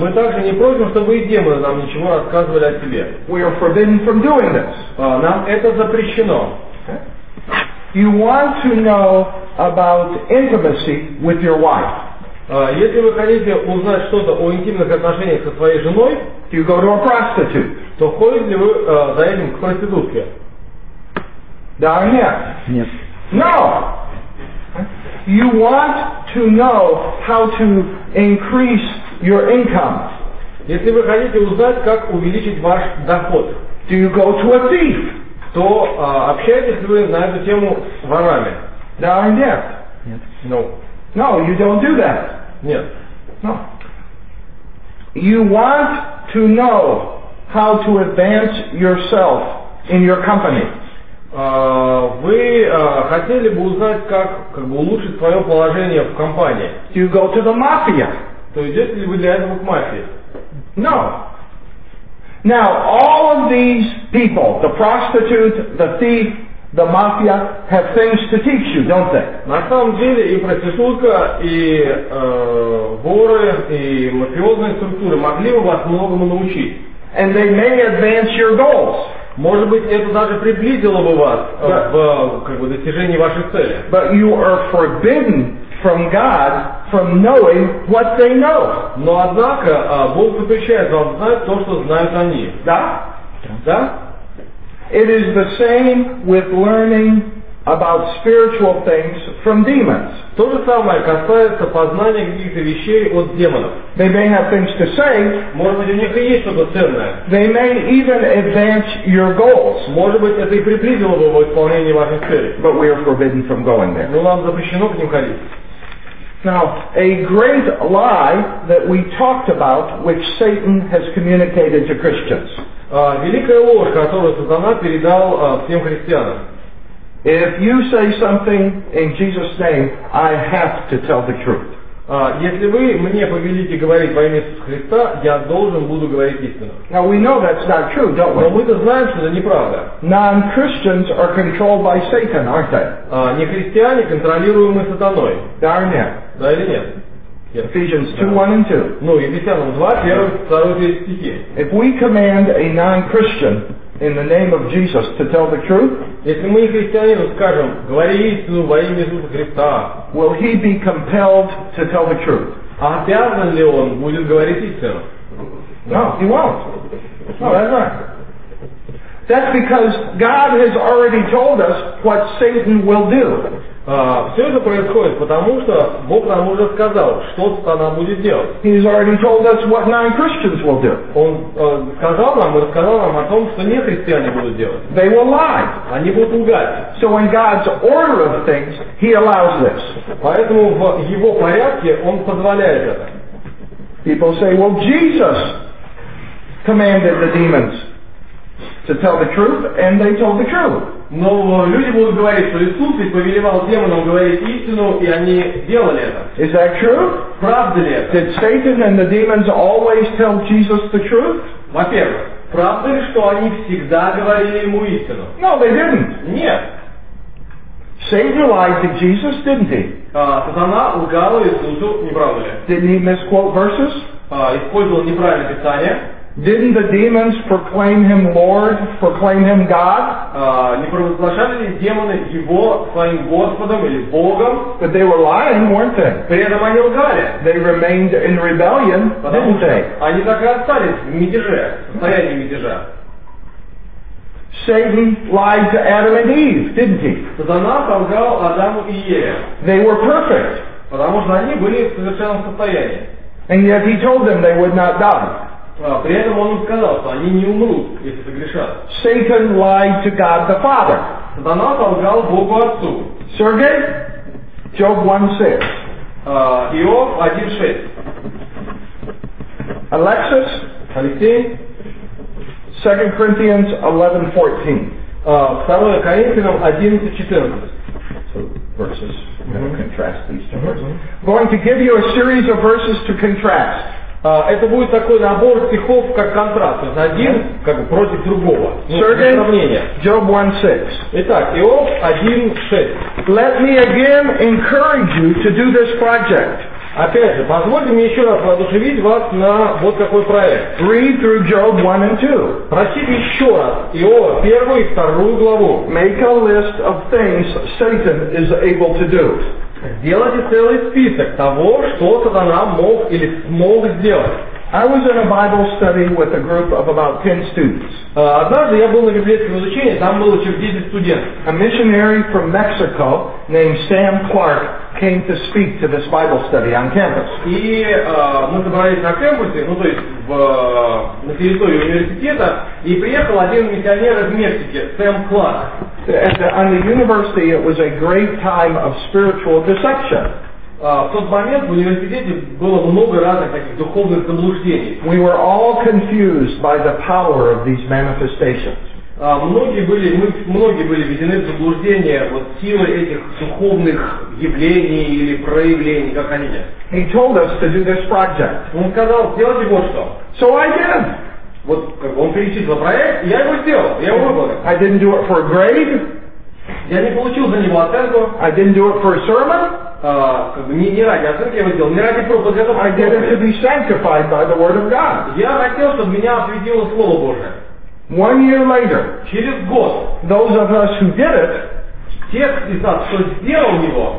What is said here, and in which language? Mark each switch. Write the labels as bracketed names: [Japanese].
[Russian] Мы также не просим, чтобы и демоны нам ничего рассказывали о себе. [English] We are forbidden from doing this. [Russian] Нам это запрещено. [English] You want to know about intimacy with your wife. [Russian] Если вы хотите узнать что-то о интимных отношениях со своей женой, [English] you go to a prostitute. [Russian] То ходите ли вы за этим к проститутке? Да или нет? Нет. [English] No! You want to know how to increase your income. [Russian] Если вы хотите узнать, как увеличить ваш доход, [English] do you go to a thief? [Russian] То общаетесь ли вы на эту тему с ворами? Да или нет? Нет. [English] No. No, you don't do that. [Russian] Нет. [English] No. You want to know how to advance yourself in your company. [Russian] Вы хотели бы узнать, как бы улучшить свое положение в компании. [English] Do you go to the mafia? [Russian] То идете ли вы для этого к мафии? [English] No. Now, all of these people, the prostitute, the thief, the mafia, have things to teach you, don't they? [Russian] На самом деле и проститутка, и воры, и мафиозные структуры могли бы вас многому научить. [English] And they may advance your goals. [Russian] Может быть, это даже приблизило бы вас в достижении ваших целей. [English] But you are forbidden from God from knowing what they know. [Russian] Но однако Бог запрещает вам знать то, что знают они. Да? Да? [English] It is the same with learning about spiritual things from demons. [Russian] То же самое касается познания каких-то вещей от демонов. [English] They may have things to say. [Russian] Может быть, у них и есть что-то ценное. [English] They may even advance your goals. [Russian] Может быть, это и приблизило бы в исполнении ваших целей. [English] But we are forbidden from going there. [Russian] Но нам запрещено к ним ходить. [English] Now, a great lie that we talked about, which Satan has communicated to Christians. [Russian] Великая ложь, которую Сатана передал всем христианам. [English] If you say something in Jesus' name, I have to tell the truth. [Russian] Если вы мне повелите говорить во имя Иисуса Христа, я должен буду говорить истину. [English] Now we know that's not true, don't we? [Russian] Но мы-то знаем, что это неправда. [English] Non-Christians are controlled by Satan, aren't they? [Russian] Нехристиане контролируемы сатаной. Да или нет? Да или нет? [English] Yes. Ephesians 2:1-2. [Russian] Ну, Ефесянам 2, 1-2 стихи. [English] If we command a non-Christian in the name of Jesus to tell the truth, [Russian] если мы христианину скажем, говори истину во имя Иисуса Христа, [English] will he be compelled to tell the truth? [Russian] Обязан ли он будет говорить истину? [English] No, he won't. No, that's not. That's because God has already told us what Satan will do. [Russian] Все это происходит потому, что Бог нам уже сказал, что сатана будет делать. [English] He has already told us what non-Christians will do. [Russian] Он сказал нам и рассказал нам о том, что нехристиане будут делать. [English] They will lie. [Russian] Они будут лгать. [English] So in God's order of things, he allows this. [Russian] Поэтому в его порядке он позволяет это. [English] People say, well, Jesus commanded the demons to tell the truth, and they told the truth. [Russian] Но люди будут говорить, что Иисус повелевал демонам говорить истину, и они делали это. [English] Is that true? [Russian] Правда ли это? [English] Did Satan and the demons always tell Jesus the truth? [Russian] Во-первых, правда ли, что они всегда говорили ему истину? [English] No, they didn't. [Russian] Нет. [English] Satan lied to Jesus, didn't he? [Russian] Сатана лгала Иисусу, не правда ли? [English] Didn't he misquote verses? [Russian] Использовал неправильное писание. [English] Didn't the demons proclaim him Lord, proclaim him God? [Russian] Не провозглашали ли демоны его своим Господом или Богом? [English] But they were lying, weren't they? [Russian] При этом они лгали. [English] They remained in rebellion, didn't they? [Russian] Они так и остались в мятеже, в состоянии мятежа. [English] Satan lied to Adam and Eve, didn't he? [Russian] Сатана солгал Адаму и Еве. [English] They were perfect. [Russian] Потому что они были в совершенном состоянии. [English] And yet he told them they would not die. [Russian] При этом он сказал, что они не умрут, если согрешат. [English] Satan lied to God the Father. [Russian] Сатана солгал Богу Отцу. [English] Сергей, Job 1:6. [Russian] Иов 1:6. [English] Alexis, [Russian] Алексей. [English] 2 Corinthians 11:14. [Russian] 2 Коринфянам 11:14. [English] Verses. Mm-hmm. Contrast these two verses. Mm-hmm. Going to give you a series of verses to contrast. [Russian] Это будет такой набор стихов, как контраст. То есть один как бы против другого. Сравнение. Job 1:6. Итак, Иов 1:6. [English] Let me again encourage you to do this project. [Russian] Опять же, позвольте мне еще раз воодушевить вас на вот такой проект. [English] Read through Job 1:2. [Russian] Прочитайте еще раз Иова 1 и 2 главу. [English] Make a list of things Satan is able to do. [Russian] Сделайте целый список того, что сатана мог или смог сделать. [English] I was in a Bible study with a group of about 10 students. [Russian] Однажды я был на библейском изучении, там было через 10 студентов. [English] A missionary from Mexico named Sam Clark came to speak to this Bible study on campus. [Russian] И мы собрались на кампусе, ну то есть на территории университета, и приехал один миссионер из Мексики, Сэм Кларк. [English] On the university it was a great time of spiritual deception. [Russian] В тот момент в университете было много разных таких духовных заблуждений. [English] We were all confused by the power of these manifestations. [Russian] Многие были введены в заблуждение вот силой этих духовных явлений или проявлений, как они есть. [English] He told us to do this project. [Russian] Он сказал, сделайте вот что. [English] So I did. [Russian] Вот как он перечислил проект, я его сделал, я его выполнил. [English] I didn't do it for a grade. [Russian] Я не получил за него оценку. [English] I didn't do it for a sermon. [Russian] Не ради оценки я его сделал, не ради пробы. [English] I did it to be sanctified by the word of God. [Russian] Я хотел, чтобы меня осветило Слово Божие. [English] 1 year later, [Russian] через год, [English] those of us who did it, [Russian] тех из нас, кто сделал его,